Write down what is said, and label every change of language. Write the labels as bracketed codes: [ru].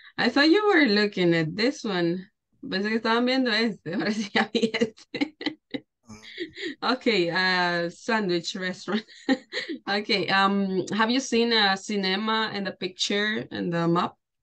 [en] I thought you were looking at this one. [es] Pensé que estaban viendo este, ahora sí ya vi este. [en] Okay, sandwich restaurant. Okay, have you seen a cinema in the picture in the map?